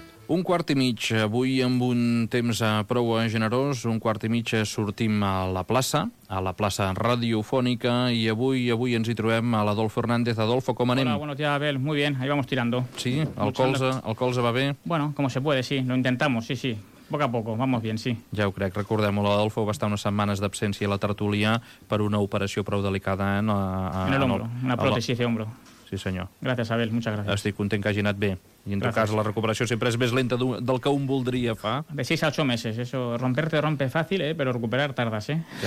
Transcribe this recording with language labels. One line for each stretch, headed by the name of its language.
Catalan: Un quart i mig, avui amb un temps prou generós, un quart i mig sortim a la plaça radiofònica, i avui ens hi trobem a l'Adolfo Hernández. Adolfo, com anem?
Spanish: Hola, buenos días, Abel. Muy bien, ahí vamos tirando.
Catalan: Sí, el colze va bé?
Spanish: Bueno, como se puede, sí, lo intentamos, sí. Poco a poco, vamos bien, sí.
Catalan: Ja ho crec. Recordem-ho, l'Adolfo va estar unes setmanes d'absència a la tertúlia per una operació prou delicada en la...
Spanish: En el hombro, una pròtesis de hombro.
Catalan: Sí, senyor.
Spanish: Gracias, Abel, muchas gracias.
Catalan: Estic content que hagi anat bé. I en tot cas, la recuperació sempre és més lenta del que un voldria fa.
Spanish: De 6 a 8 meses, eso. Romperte rompe fácil, pero recuperar tardas, ¿eh?